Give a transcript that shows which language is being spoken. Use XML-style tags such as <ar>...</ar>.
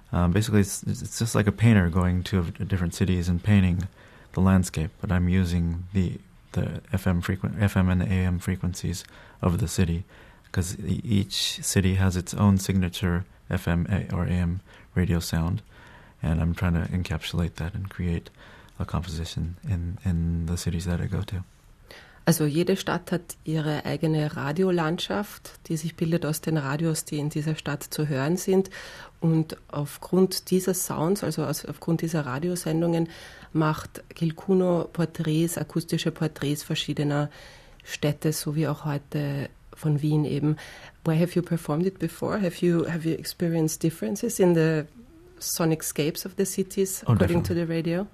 <en>Basically, it's just like a painter going to different cities and painting the landscape, but I'm using the FM and AM frequencies of the city because each city has its own signature FM or AM radio sound, and I'm trying to encapsulate that and create a composition in the cities that I go to.</en> <de>Also jede Stadt hat ihre eigene Radiolandschaft, die sich bildet aus den Radios, die in dieser Stadt zu hören sind. Und aufgrund dieser Sounds, also aufgrund dieser Radiosendungen, macht Gil Kuno Porträts, akustische Porträts verschiedener Städte, so wie auch heute von Wien eben.</de> <en>Where have you performed it before? Have you experienced differences in the sonic scapes of the cities according to the radio?</en>